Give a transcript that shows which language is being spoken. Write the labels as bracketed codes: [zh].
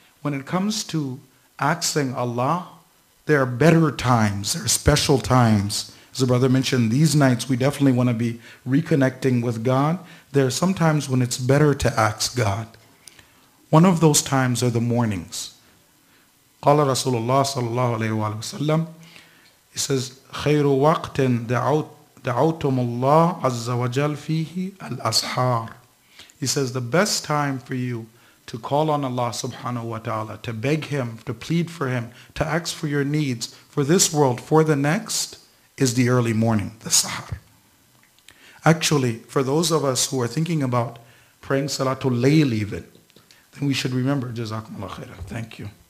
[en] When it comes to asking Allah, there are better times, there are special times. As the brother mentioned, these nights we definitely want to be reconnecting with God. There are some times when it's better to ask God. One of those times are the mornings. [ar] قال رسول الله صلى الله عليه وسلم, [en] he says, [ar] خير وقت دعوتم الله عز وجل فيه الأسحار. [en] He says, the best time for you to call on Allah subhanahu wa ta'ala, to beg Him, to plead for Him, to ask for your needs, for this world, for the next, is the early morning, the sahar. Actually, for those of us who are thinking about praying Salatul Layl even, then we should remember, Jazakumullah Khairah, thank you.